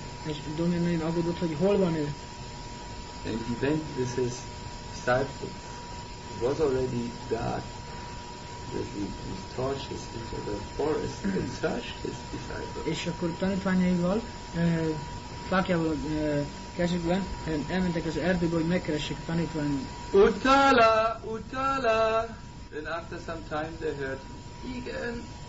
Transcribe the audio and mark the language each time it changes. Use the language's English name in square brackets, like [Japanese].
[Hungarian] És Domja nagyon aggódott, hogy hol van ő. [English] And he went with his disciples. It was already dark. His torches into the forest and searched his disciples. [Hungarian] És akkor tanítványaival fákjával kezükben elmentek az erdőbe, hogy megkeressék tanítványait. Utkala! Utkala! [English] Then after some time they heard, [Hungarian] igen!